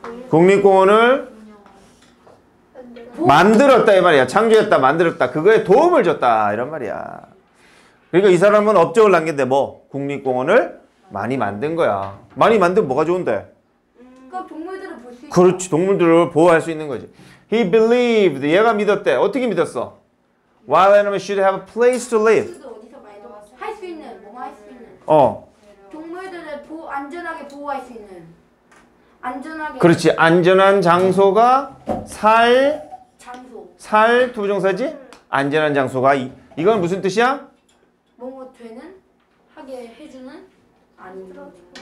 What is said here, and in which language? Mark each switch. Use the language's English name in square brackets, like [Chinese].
[Korean] 국립공원을 만들었다 이 말이야. 창조했다, 만들었다. 그거에 도움을 줬다 이런 말이야. 그러니까 이 사람은 업적을 남겼대. 뭐? 국립공원을 많이 만든 거야. 많이 만들면 뭐가 좋은데? 그럼 동물들을 볼 수 있어. 그렇지. 동물들을 보호할 수 있는 거지. [English] He believed. [Korean] 얘가 믿었대. 어떻게 믿었어? [English] Wild animals should have a place to live. [Korean] 할 수 있는, 뭐만 할 수 있는. 동물들을 안전하게 보호할 수 있는. 안전하게. 그렇지. 안전한 장소가 살 장소. 살 두부정사지? 안전한 장소가 이건 무슨 뜻이야? 뭐 되는? 하게 해주는? 아니면